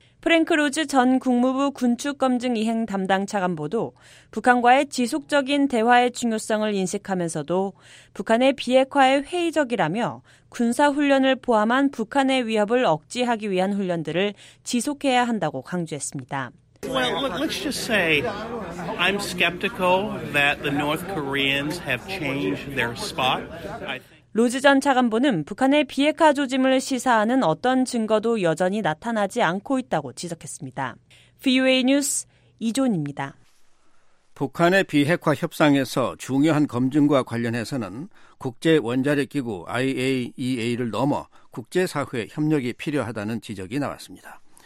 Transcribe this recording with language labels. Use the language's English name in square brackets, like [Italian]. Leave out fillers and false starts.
[Korean] 프랭크 로즈 전 국무부 군축검증이행 담당 차관보도 북한과의 지속적인 대화의 중요성을 인식하면서도 북한의 비핵화에 회의적이라며 군사훈련을 포함한 북한의 위협을 억제하기 위한 훈련들을 지속해야 한다고 강조했습니다. [English] Well, let's just say I'm skeptical that the North Koreans have changed their spot. [Korean] 로즈 전 차관보는 북한의 비핵화 조짐을 시사하는 어떤 증거도 여전히 나타나지 않고 있다고 지적했습니다. VOA 뉴스 이존입니다. 북한의 비핵화 협상에서 중요한 검증과 관련해서는 국제원자력기구 IAEA를 넘어 국제사회 협력이 필요하다는 지적이 나왔습니다.